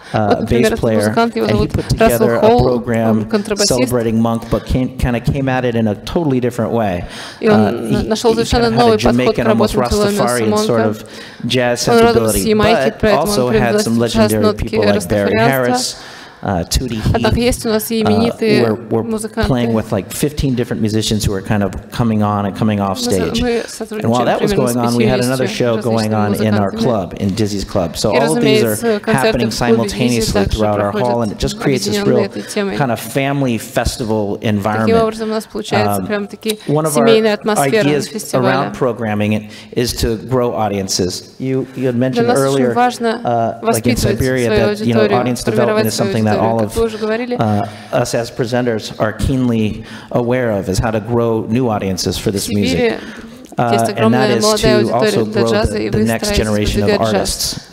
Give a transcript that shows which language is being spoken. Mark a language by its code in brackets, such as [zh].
[en] bass player, and he put together a program celebrating Monk, but kind of came at it in a totally different way. He kind of had a Jamaican, almost Rastafarian sort of jazz sensibility, but also had some legendary people like Barry Harris. [ru] Однако есть у нас и именитые музыканты. [en] Playing with like 15 different musicians who are kind of coming on and coming off stage. And while that was going on, we had another show going on in our club, in Dizzy's club. So all of these are happening simultaneously throughout our hall, and it just creates this real kind of family festival environment. [ru] Таким образом у нас получается прям таки семейная атмосфера на фестивале. [en] One of our ideas around programming it is to grow audiences. You had mentioned earlier, like in Siberia, that you know audience development is something that all of us as presenters are keenly aware of is how to grow new audiences for this music. And that is to also grow the next generation of artists,